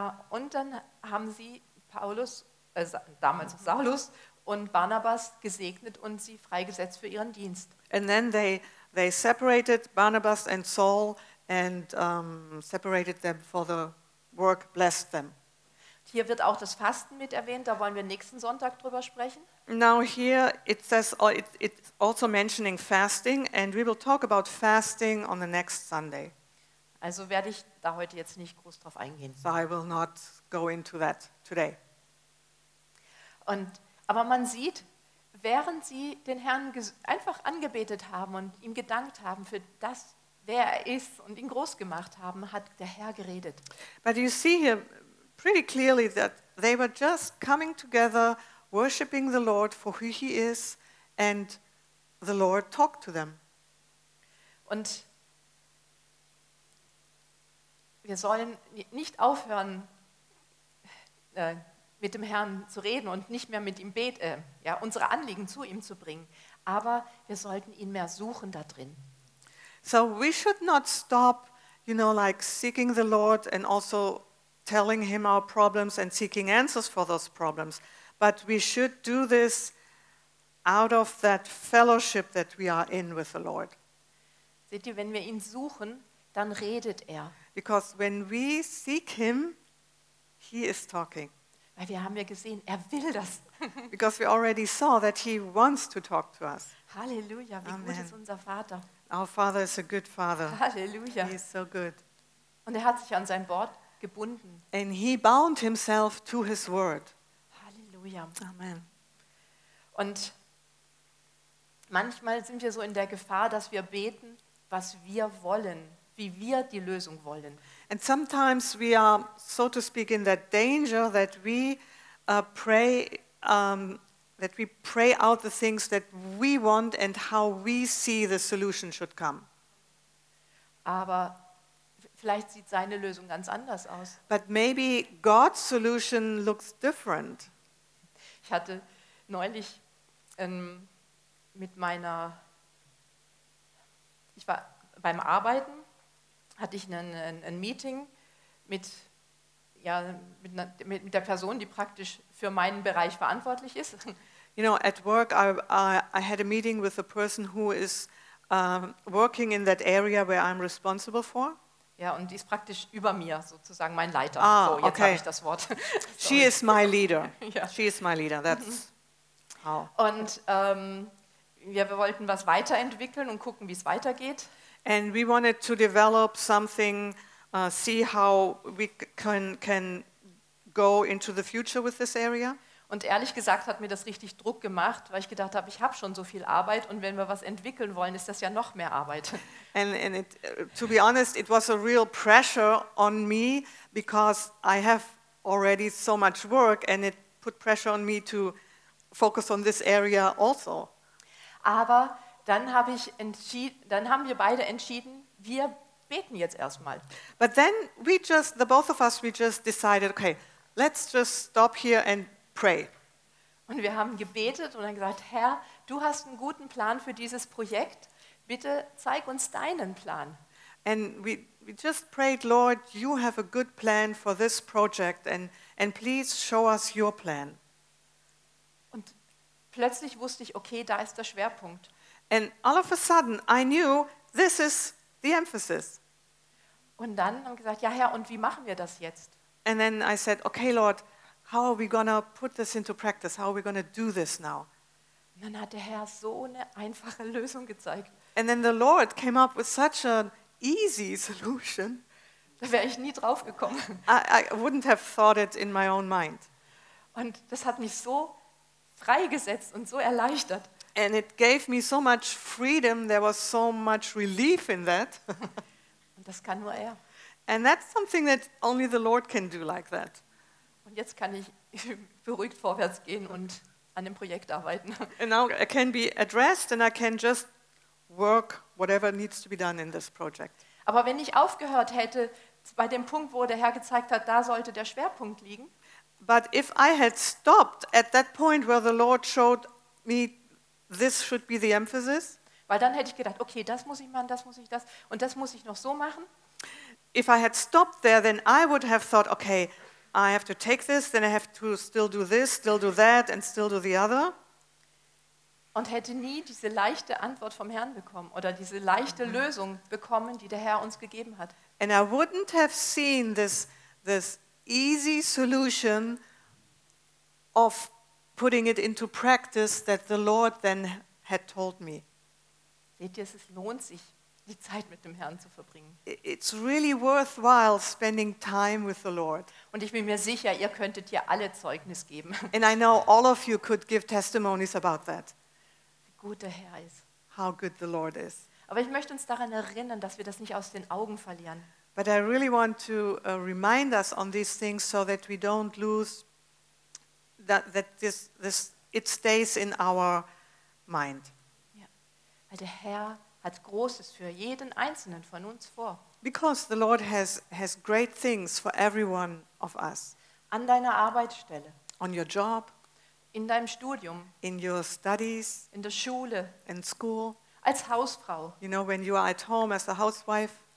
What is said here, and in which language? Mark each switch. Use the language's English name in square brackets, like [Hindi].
[German] Und dann haben sie Paulus, damals Saulus und Barnabas gesegnet und sie freigesetzt für ihren Dienst. [English] And then they separated Barnabas and Saul and separated them for the work, blessed them. [German] Hier wird auch das Fasten mit erwähnt, da wollen wir nächsten Sonntag drüber sprechen. [English] Now here it says it's also mentioning fasting and we will talk about fasting on the next Sunday. [German] Also werde ich da heute jetzt nicht groß drauf eingehen. [English] So I will not go into that today. [German] Aber man sieht, während sie den Herrn einfach angebetet haben und ihm gedankt haben für das, wer er ist und ihn groß gemacht haben, hat der Herr geredet. [English] But you see here pretty clearly that they were just coming together, worshiping the Lord for who he is, and the Lord talked to them. [German] Und wir sollen nicht aufhören, mit dem Herrn zu reden und nicht mehr mit ihm beten, unsere Anliegen zu ihm zu bringen. Aber wir sollten ihn mehr suchen da drin. [English] So we should not stop, you know, like seeking the Lord and also telling him our problems and seeking answers for those problems. But we should do this out of that fellowship that we are in with the Lord. [German] Seht ihr, wenn wir ihn suchen, dann redet er. [English] Because when we seek him, he is talking. [German] Weil wir haben ja gesehen, er will das. [English] Because we already saw that he wants to talk to us. [German] Halleluja, wie Amen. Gut ist unser Vater. [English] Our Father is a good Father. [German] Halleluja. [English] He is so good. [German] Und er hat sich an sein Wort gebunden. [English] And he bound himself to his word. [German] Halleluja. Amen. Und manchmal sind wir so in der Gefahr, dass wir beten, was wir wollen, wie wir die Lösung wollen. [English] And sometimes we are, so to speak, in that danger that we pray that we pray out the things that we want and how we see the solution should come. [German] Aber vielleicht sieht seine Lösung ganz anders aus. [English] But maybe God's solution looks different. [German] Ich hatte neulich mit meiner, ich war beim Arbeiten, hatte ich ein Meeting mit, ja, mit der Person, die praktisch für meinen Bereich verantwortlich ist. [English] You know, at work I had a meeting with a person who is working in that area where I'm responsible for. [German] Ja, und die ist praktisch über mir, sozusagen mein Leiter. Ah, so, jetzt okay. Habe ich das Wort. [English] She is my leader. Yeah. She is my leader, that's how. [German] Und wir wollten was weiterentwickeln und gucken, wie es weitergeht. [English] And we wanted to develop something, see how we can go into the future with this area. [German] Und ehrlich gesagt hat mir das richtig Druck gemacht, weil ich gedacht habe, ich habe schon so viel Arbeit und wenn wir was entwickeln wollen, ist das ja noch mehr Arbeit. [English] And it, to be honest, it was a real pressure on me because I have already so much work and it put pressure on me to focus on this area also. [German] Aber dann haben wir beide entschieden, wir beten jetzt erstmal. [English] But then we just, the both of us, we just decided, okay, let's just stop here and pray. [German] Und wir haben gebetet und dann gesagt, Herr, du hast einen guten Plan für dieses Projekt. Bitte zeig uns deinen Plan. [English] And we just prayed, Lord, you have a good plan for this project and please show us your plan. [German] Und plötzlich wusste ich, okay, da ist der Schwerpunkt. [English] And all of a sudden I knew this is the emphasis. [German] Und dann haben wir gesagt, ja Herr, und wie machen wir das jetzt? [English] And then I said, okay Lord, how are we going to put this into practice? How are we going to do this now? [German] Und dann hat der Herr so eine einfache Lösung gezeigt. [English] And then the Lord came up with such an easy solution. [German] Da wäre ich nie drauf gekommen. [English] I wouldn't have thought it in my own mind. [German] Und das hat mich so freigesetzt und so erleichtert. [English] And it gave me so much freedom, there was so much relief in that. [German] Und das kann nur er. [English] And that's something that only the Lord can do like that. [German] Und jetzt kann ich beruhigt vorwärts gehen und an dem Projekt arbeiten. [English] And now I can be at rest and I can just work whatever needs to be done in this project. [German] Aber wenn ich aufgehört hätte bei dem Punkt, wo der Herr gezeigt hat, da sollte der Schwerpunkt liegen. [English] But if I had stopped at that point where the Lord showed me this should be the emphasis. [German] Weil dann hätte ich gedacht, okay, das muss ich machen, das muss ich das und das muss ich noch so machen. [English] If I had stopped there, then I would have thought, okay, I have to take this, then I have to still do this, still do that and still do the other. [German] Und hätte nie diese leichte Antwort vom Herrn bekommen oder diese leichte Lösung bekommen, die der Herr uns gegeben hat. [English] And I wouldn't have seen this easy solution of putting it into practice that the Lord then had told me. [German] Seht ihr, es lohnt sich, die Zeit mit dem Herrn zu verbringen. [English] It's really worthwhile spending time with the Lord. [German] Und ich bin mir sicher, ihr könntet hier alle Zeugnis geben. [English] And I know all of you could give testimonies about that. [German] Wie gut der Herr ist. [English] How good the Lord is. [German] Aber ich möchte uns daran erinnern, dass wir das nicht aus den Augen verlieren. [English] But I really want to remind us on these things so that we don't lose that this it stays in our mind. [German] Ja. Weil der Herr hat Großes für jeden einzelnen von uns vor. [English] Because the Lord has great things for every one of us. [German] An deiner Arbeitsstelle. [English] On your job. [German] In deinem Studium. [English] In your studies. [German] In der Schule. [English] In school. [German] Als Hausfrau. [English] You know, when you are at home as a housewife.